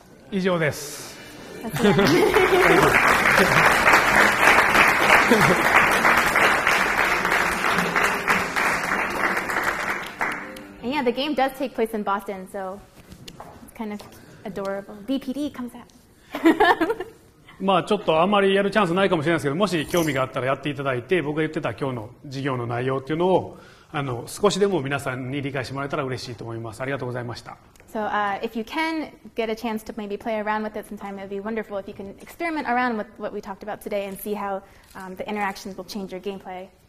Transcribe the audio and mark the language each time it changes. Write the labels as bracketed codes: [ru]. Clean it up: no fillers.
[ja] 以上です。 [en] And yeah, the game does take place in Boston, so it's kind of adorable. BPD comes out. [ja] まあちょっとあまりやるチャンスないかもしれないですけど、もし興味があったらやっていただいて、僕が言ってた今日の授業の内容っていうのを少しでも皆さんに理解してもらえたら嬉しいと思います。ありがとうございました。 [en] So, if you can get a chance to maybe play around with it sometime, it would be wonderful if you can experiment around with what we talked about today and see how the interactions will change your gameplay.